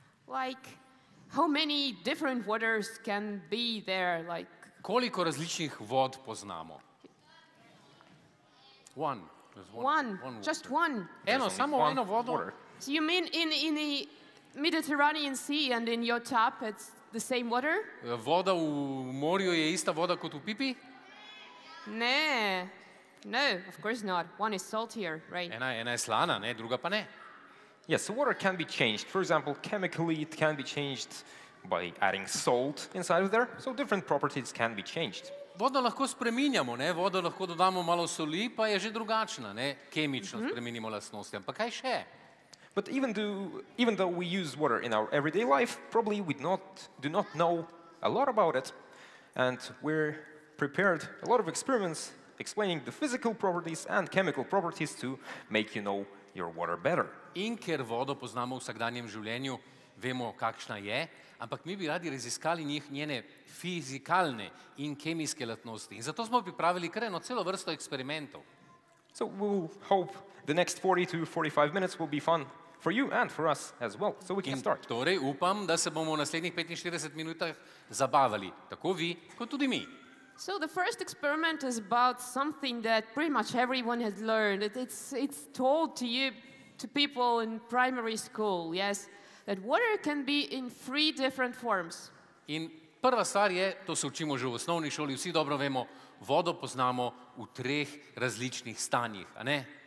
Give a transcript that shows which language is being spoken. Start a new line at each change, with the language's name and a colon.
English: Like how many different waters can be there? Like
Slovenian: koliko različnih vod poznamo?
English: One.
Slovenian: Eno, samo eno vodo.
English: So you mean in the Mediterranean Sea and in your tap it's the same water?
Slovenian: Voda v morju je ista voda kot v pipi?
English: Ne. No, of course not. One is saltier, right?
Slovenian: Ena je slana, ne, druga pa ne.
English: Yes, so water can be changed. For example, chemically it can be changed by adding salt inside of there. So different properties can be changed.
Slovenian: Vodo lahko spreminjamo, ne? Vodo lahko dodamo malo soli, pa je že drugačna, ne? Kemično spreminjamo lastnosti. Ampak kaj še?
English: But even though we use water in our everyday life, probably we do not know a lot about it. And we're prepared a lot of explaining the physical properties and chemical properties to make you know your water better.
Slovenian: In ker vodo poznamo v vsakdanjem življenju, vemo, kakšna je, ampak mi bi radi raziskali njene fizikalne in kemijske lastnosti. In zato smo pripravili kar eno celo vrsto eksperimentov.
English: So we hope the next 40 to 45 minutes will be fun for you and for us as well, so we can start.
Slovenian: Torej upam, da se bomo v naslednjih 45 minutah zabavali, tako vi, kot tudi mi.
English: So the first experiment is about something that pretty much everyone has learned. It's told to you, to people in primary school, yes, that water can be in three different forms.
Slovenian: In prva stvar je, to se učimo že v osnovni šoli, vsi dobro vemo, vodo poznamo v treh različnih stanjih, a ne?